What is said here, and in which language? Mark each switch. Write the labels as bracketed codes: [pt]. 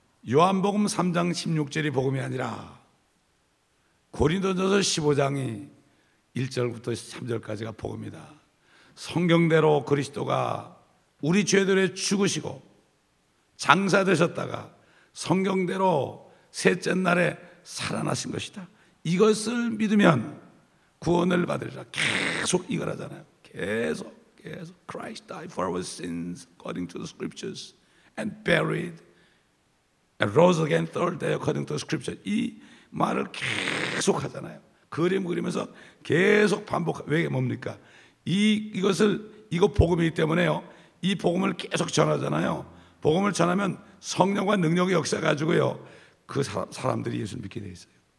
[ko] 요한복음 3장 16절이 복음이 아니라 고린도전서 15장이 1절부터 3절까지가 복음이다. 성경대로 그리스도가 우리 죄들에 죽으시고 장사되셨다가 성경대로 셋째 날에 살아나신 것이다. 이것을 믿으면 구원을 받으리라. 계속 이걸 하잖아요. 계속 [en] Christ died for our sins according to the scriptures and buried and rose again third day according to the scriptures. [ko] 이 말을 계속 하잖아요. 그림 그리면서 계속 반복. 왜 뭡니까? 이거 복음이기 때문에요. 이 복음을 계속 전하잖아요. 복음을 전하면 성령과 능력이 역사가지고요. 그 사람들이 예수를 믿게 돼 있어요.